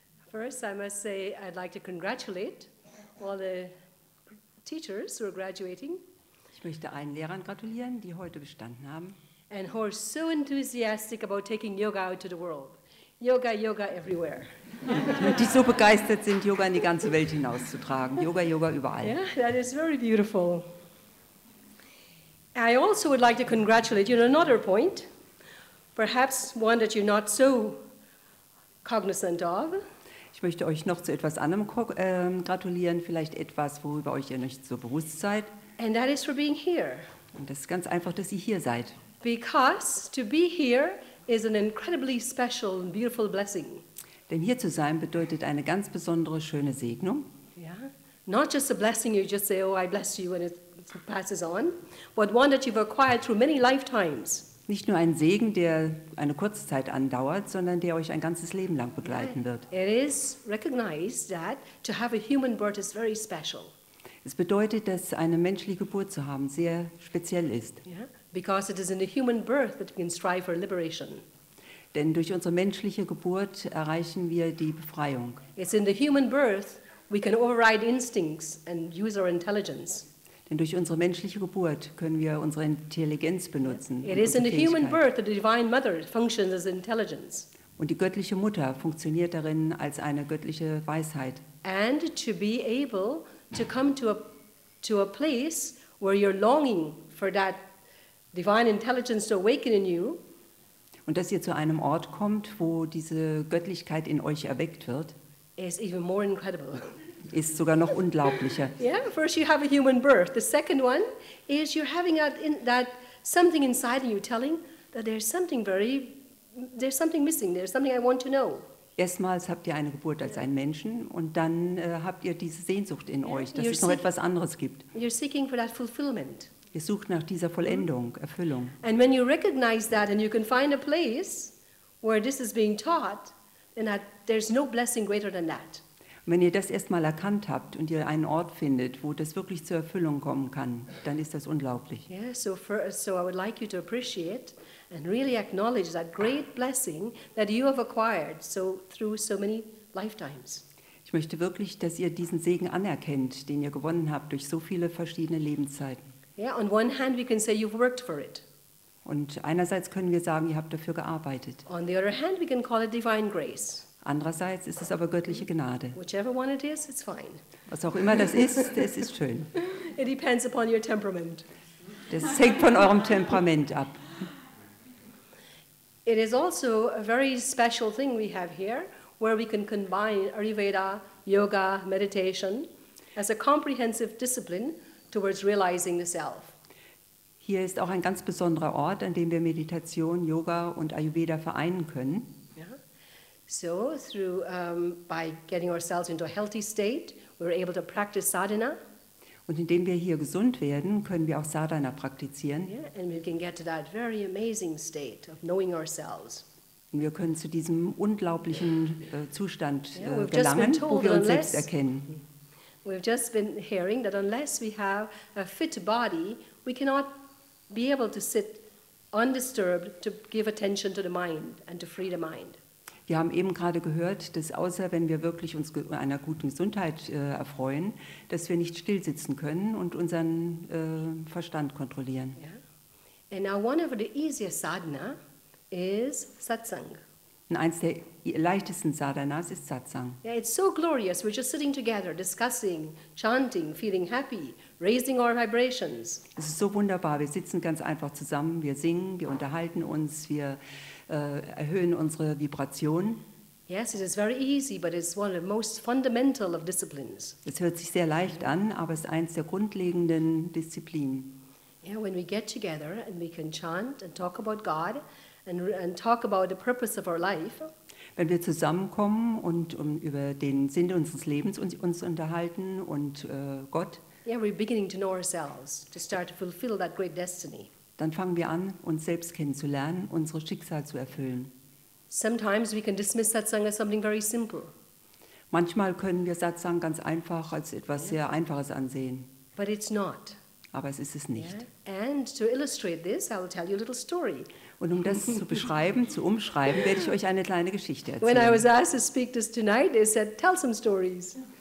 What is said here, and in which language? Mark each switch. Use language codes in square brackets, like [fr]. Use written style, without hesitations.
[en] First, I must say I'd like to congratulate all the teachers who are graduating. [de] Ich möchte allen Lehrern gratulieren, die heute bestanden haben. [en] and who are so enthusiastic about taking yoga out to the world. Yoga, yoga everywhere. [de] Die so begeistert sind, Yoga in die ganze Welt hinauszutragen. Yoga, Yoga überall. [en] Yeah, that is very beautiful. I also would like to congratulate you on another point, perhaps one that you're not so cognizant of. [de] Ich möchte euch noch zu etwas anderem gratulieren, vielleicht etwas, worüber euch ihr nicht so bewusst seid. [en] And that is for being here. [de] Und das ist ganz einfach, dass ihr hier seid. [en] Because to be here is an incredibly special and beautiful blessing. [de] Denn hier zu sein bedeutet eine ganz besondere, schöne Segnung. [en] Yeah. Not just a blessing, you just say, oh, I bless you, and it passes on. But one that you've acquired through many lifetimes. [de] Nicht nur ein Segen, der eine kurze Zeit andauert, sondern der euch ein ganzes Leben lang begleiten wird. [en] It is recognized that to have a human birth is very special. [de] Es bedeutet, dass eine menschliche Geburt zu haben sehr speziell ist. [en] Yeah. Because it is in the human birth that we can strive for liberation. [de] Denn durch unsere menschliche Geburt erreichen wir die Befreiung. [en] It's in the human birth we can override instincts and use our intelligence. [de] Denn durch unsere menschliche Geburt können wir unsere Intelligenz benutzen. [en] It is in the human birth that the divine mother functions as intelligence. [de] Und die göttliche Mutter funktioniert darin als eine göttliche Weisheit. [en] And to be able to come to a place where you're longing for that divine intelligence to awaken in you. [de] Und dass ihr zu einem Ort kommt, wo diese Göttlichkeit in euch erweckt wird, [en] is even more incredible. [de] Ist sogar noch unglaublicher. [en] Yeah, first you have a human birth. The second one is you're having that something inside you telling that there's something missing, there's something I want to know. [de] Erstmals habt ihr eine Geburt als ein Menschen und dann habt ihr diese Sehnsucht in euch, dass es noch etwas anderes gibt. [en] You're seeking for that fulfillment. [de] Ihr sucht nach dieser Vollendung, Erfüllung. [en] And when you recognize that and you can find a place where this is being taught, then there's no blessing greater than that. [de] Wenn ihr das erstmal erkannt habt und ihr einen Ort findet, wo das wirklich zur Erfüllung kommen kann, dann ist das unglaublich. [en] Yeah, so I would like you to appreciate and really acknowledge that great blessing that you have acquired so through so many lifetimes. [de] Ich möchte wirklich, dass ihr diesen Segen anerkennt, den ihr gewonnen habt durch so viele verschiedene Lebenszeiten. [en] Yeah, on one hand we can say you've worked for it. [de] Und einerseits können wir sagen, ihr habt dafür gearbeitet. [en] On the other hand we can call it divine grace. [de] Andererseits ist es aber göttliche Gnade. [en] Whichever one it is, it's fine. [de] Was auch immer das ist, es ist schön. [en] It depends upon your temperament. [de] Das hängt von eurem Temperament ab. [en] It is also a very special thing we have here, where we can combine Ayurveda, Yoga, Meditation as a comprehensive discipline towards realizing the self. [de] Hier ist auch ein ganz besonderer Ort, an dem wir Meditation, Yoga und Ayurveda vereinen können. [en] So through by getting ourselves into a healthy state, we're able to practice sadhana. [de] Und indem wir hier gesund werden, können wir auch sadhana praktizieren. [en] Yeah, and we can get to that very amazing state of knowing ourselves. [de] Und wir können zu diesem unglaublichen Zustand gelangen, wo wir uns selbst erkennen. [en] We've just been hearing that unless we have a fit body, we cannot be able to sit undisturbed to give attention to the mind and to free the mind. [de] Wir haben eben gerade gehört, dass außer wenn wir wirklich uns einer guten Gesundheit erfreuen, dass wir nicht stillsitzen können und unseren Verstand kontrollieren. [en] Yeah. And now one of the easiest sadhana is satsang. [de] Und eins der leichtesten sadhanas ist satsang. [en] Yeah, it's so glorious. We're just sitting together, discussing, chanting, feeling happy, raising our vibrations. [de] Es ist so wunderbar. Wir sitzen ganz einfach zusammen. Wir singen, wir unterhalten uns, wir erhöhen unsere Vibration. [en] Yes, it is very easy, but it's one of the most fundamental of disciplines. [de] Es hört sich sehr leicht an, aber es ist eins der grundlegenden Disziplinen. [en] Yeah, when we get together and we can chant and talk about God and talk about the purpose of our life. [de] Wenn wir zusammenkommen und über den Sinn unseres Lebens uns unterhalten und Gott. [en] Yeah, we're beginning to know ourselves to start to fulfill that great destiny. [de] Dann fangen wir an, uns selbst kennenzulernen, unsere Schicksal zu erfüllen. [en] Sometimes we can dismiss satsang as something very simple. [de] Manchmal können wir Satsang ganz einfach als etwas sehr Einfaches ansehen. [en] But it's not. [de] Aber es ist es nicht. [en] And to illustrate this, I will tell you a little story. [de] Und das zu beschreiben, zu umschreiben, werde ich euch eine kleine Geschichte erzählen. [en] When I was asked to speak this tonight, they said, tell some stories.